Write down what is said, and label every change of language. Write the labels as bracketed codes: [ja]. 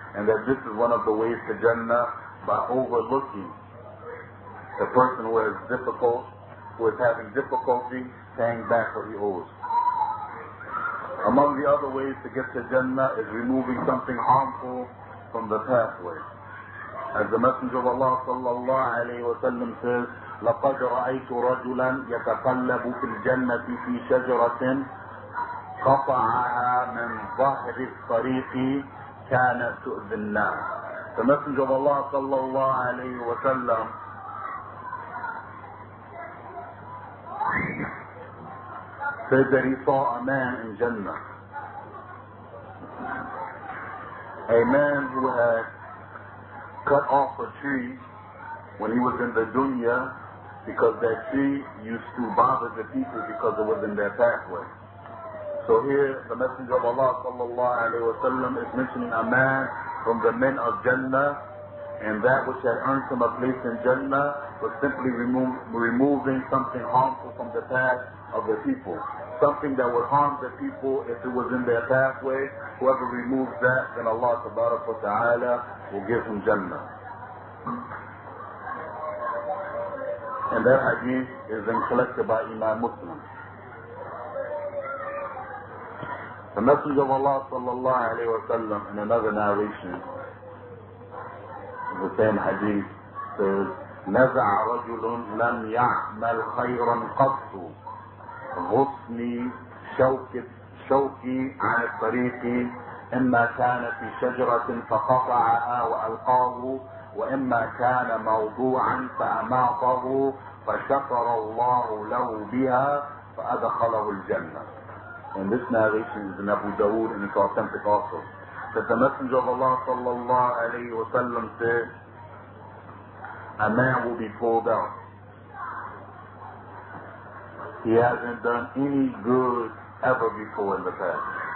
[en] And that this is one of the ways to Jannah, by overlooking the person who is difficult, who is having difficulty paying back what he owes. Among the other ways to get to Jannah is removing something harmful from the pathway. As the Messenger of Allah sallallahu alayhi wa sallam says, [ar] لَقَدْ رَأَيْتُ رَجُلًا يَتَقَلَّبُ فِي الْجَنَّةِ فِي شَجْرَةٍ قَطَعَهَا مِنْ ظَهْرِ الطَّرِيقِ كَانَ تُؤْذِ النَّاسِ. [en] The Messenger of Allah sallallahu alayhi wa sallam said that he saw a man in Jannah. A man who had cut off a tree when he was in the dunya because that tree used to bother the people because it was in their pathway. So here the Messenger of Allah sallallahu alayhi wa sallam is mentioning a man from the men of Jannah, and that which had earned him a place in Jannah was simply removing something harmful from the path of the people. Something that would harm the people if it was in their pathway, whoever removes that, then Allah tabarak wa ta'ala will give him Jannah. And that hadith is then collected by Imam Muslim. The Messenger of Allah sallallahu alayhi wa sallam in another narration, the same hadith says, [ar] نَزَعَ رَجُلٌ لَمْ يَعْمَلْ خَيْرًا قَطُّ غصني شوكي عن الطريق إما كان في شجرة فقطعها وألقاه وإما كان موضوعا فأماطه فشكر الله له بها فأدخله الجنة. [en] And this narration is in Abu Dawood and it's authentic also. That the Messenger of Allah صلى الله عليه وسلم said, a man will be pulled out. He hasn't done any good ever before in the past.